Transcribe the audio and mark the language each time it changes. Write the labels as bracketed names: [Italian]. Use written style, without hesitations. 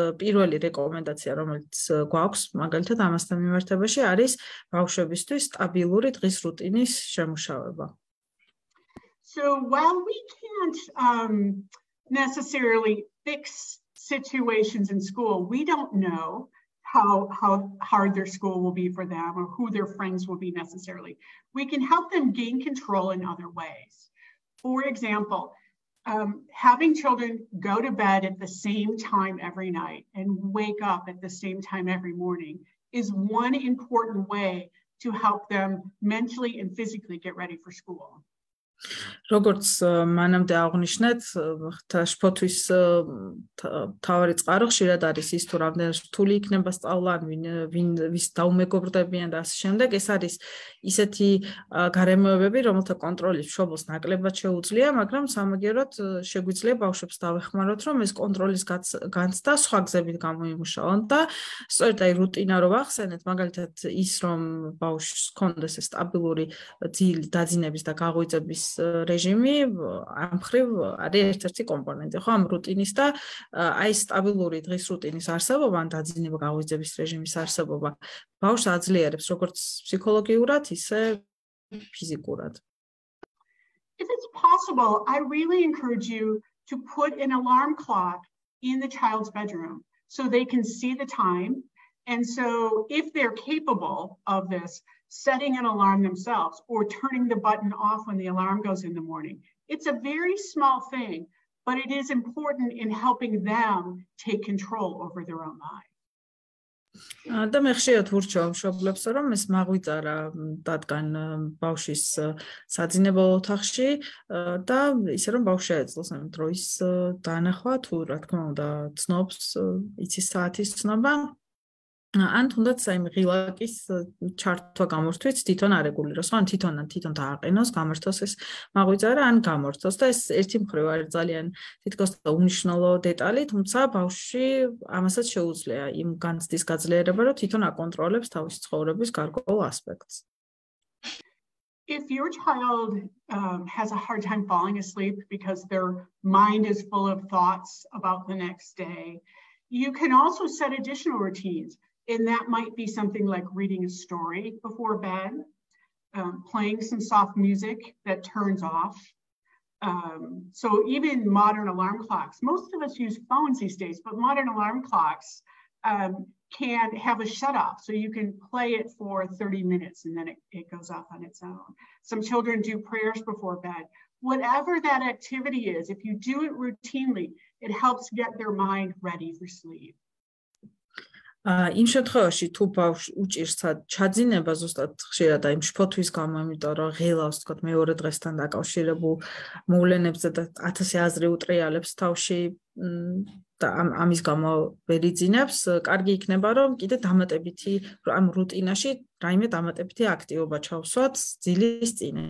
[Georgian] პირველი რეკომენდაცია, რომელიც გვაქვს, მაგალითად ამასთან მიმართებაში არის ბავშვებისთვის სტაბილური დღის რუტინის შემუშავება. [English] So while we can't necessarily fix situations in school, we don't know how hard their school will be for them or who their friends will be necessarily. We can help them gain control in other ways. For example, having children go to bed at the same time every night and wake up at the same time every morning is one important way to help them mentally and physically get ready for school. [Georgian] როგორც მანამდე აღნიშნეთ, შფოთვის თავარი წყარო ხშირად არის ის, თუ რამდენ რთული იქნება სწავლა, ვინ ვის დაუმეგობრდებიან და ასე შემდეგ. ეს არის ისეთი გარემოებები, რომელთა კონტროლი შობელს ნაკლებად შეუძლია, მაგრამ სამაგეროდ შეგვიძლია ბავშვებს დავეხმაროთ, რომ ეს კონტროლის განცდა სხვა გზებით გამოიმუშაონ და სწორედ აი რუტინა რო ახსენეთ, მაგალითად ის, რომ ბავშვს ჰქონდეს ეს სტაბილური დაძინების და გაღვიძების რეჟიმი, ამ მხრივ არის ერთ-ერთი კომპონენტი, ხო, ამ რუტინის და აი სტაბილური დღის რუტინის არსებობა, ან დაძინება გაღვიძების რეჟიმის არსებობა ბავშვს აძლიერებს როგორც ფსიქოლოგიურად, ისე ფიზიკურად. [English] If it's possible, I really encourage you to put an alarm clock in the child's bedroom so they can see the time, and so if they're capable of this, setting an alarm themselves or turning the button off when the alarm goes in the morning. It's a very small thing, but it is important in helping them take control over their own life. [Georgian] და მე ხშირად ვურჩევ მშობლებს, რომ ეს მაღვიწარა დადგან ბავშვის საძინებელ ოთახში და ისე რომ ბავშვი აეძლოს ამ დროის დანახვა, თუ რა თქმა უნდა ცნობს, იცის საათის ცნობა. ან თუნდაც აი ღილაკის ჩართვა გამორთვით, თვითონ არეგულიროს, ან თვითონ დააყენოს, გამართოს ეს მაღვიძარა, ან გამორთოს. და ეს ერთი მხრივ არის ძალიან თითქოს უნიშნელო დეტალი, თუმცა ბავშვი ამასაც შეუძლია იმ განცდის გაძლიერება, რომ თვითონ აკონტროლებს თავისი ცხოვრების გარკვეულ ასპექტს. [English] If your child has a hard time falling asleep because their mind is full of thoughts about the next day, you can also set additional routines, and that might be something like reading a story before bed, playing some soft music that turns off. So even modern alarm clocks, most of us use phones these days, but modern alarm clocks can have a shut off. So you can play it for 30 minutes and then it goes off on its own. Some children do prayers before bed. Whatever that activity is, if you do it routinely, it helps get their mind ready for sleep. [Georgian] იმ შემთხვევაში თუ ბავშ უჭირს ჩაძინება ზუსტად ხშირად აი შფოთვის გამო, იმიტომ რომ ღელავს თქოთ მეორე დღესთან დაკავშირებულ მოვლენებზე და 1000 აზრი უტრიალებს თავში და ამის გამო ვერ იძინებს, კარგი იქნება რომ კიდე დამატებითი ამ რუტინაში რაიმე დამატებითი აქტივობა ჩავსვათ ძილის წინა.